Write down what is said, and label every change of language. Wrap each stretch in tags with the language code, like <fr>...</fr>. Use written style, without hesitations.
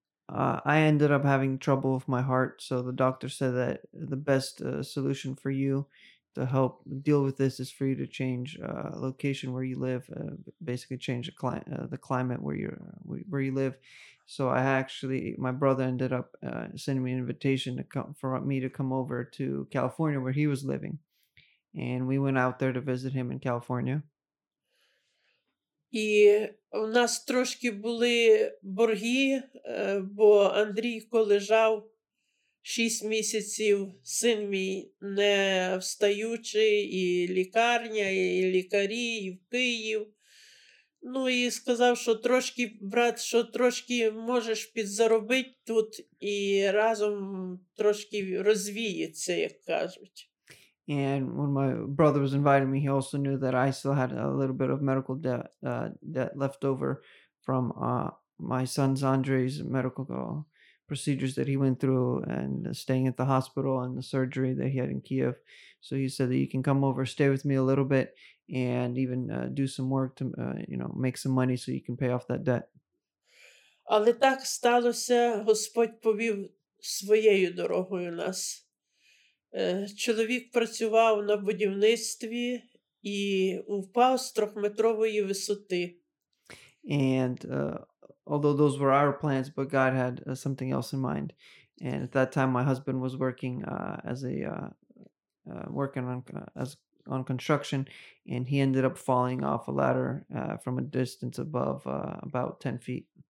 <en>I ended up having trouble with my heart, so the doctor said that the best solution for you to help deal with this is for you to change location where you live, basically change the climate where you live. So I actually, my brother ended up sending me an invitation to come over to California where he was living. And we went out there to visit him in California.</en> <uk>І у нас трошки були борги, бо Андрійко лежав 6 місяців, син мій не встаючи, і лікарня, і лікарі, і в Київ. Ну і сказав, що трошки, брат, що трошки можеш підзаробити тут і разом трошки розвіється, як кажуть.</uk> <en>And when my brother was inviting me, he also knew that I still had a little bit of medical debt left over from my son's Andre's medical procedures that he went through and staying at the hospital and the surgery that he had in Kiev. So he said that you can come over, stay with me a little bit, and even do some work to, you know, make some money so you can pay off that debt.</en> <uk>Але так сталося, Господь повів своєю дорогою нас. Чоловік працював на будівництві і упав з трьохметрової висоти.</uk> <en>And although those were our plans, but God had something else in mind. And at that time, my husband was working on construction, and he ended up falling off a ladder from a distance above about 10 feet.</en>